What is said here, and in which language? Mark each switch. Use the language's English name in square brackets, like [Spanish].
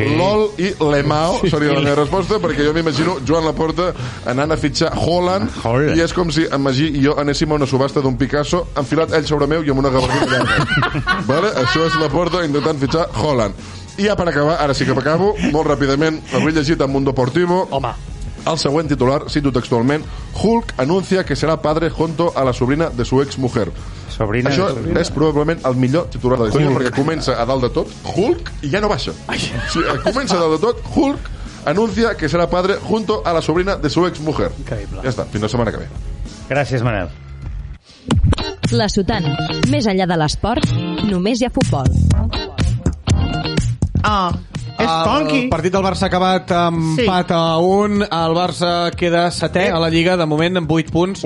[Catalan] LOL i Lemao seria la meva resposta, perquè jo m'imagino Joan Laporta anant a fitxar Haaland, i és com si en Magí i jo anéssim a una subhasta d'un Picasso enfilat ell sobre meu i amb una gabardina. Vale? Això és Laporta intentant fitxar Haaland. I ja per acabar, ara sí que acabo, molt ràpidament, avui he llegit a Mundo Deportivo. Home. El següent titular, cito textualment: [Spanish] Hulk anuncia que serà padre junto a la sobrina de su exmujer. Sobrina. [Catalan] Això [Spanish] sobrina. [Catalan] És probablement el millor titular de la història, perquè comença a dalt de tot Hulk i ja no baixa. Sí, comença a dalt de tot [Spanish] Hulk anuncia que serà padre junto a la sobrina de su exmujer. [Catalan] Increïble. Ja està, fins la setmana que ve. Gràcies, Manel. La Sotana. Més enllà de l'esport, només hi ha futbol. Ah, és funky. El partit del Barça ha acabat amb empat a 1. El Barça queda setè a la Lliga, de moment, amb 8 punts.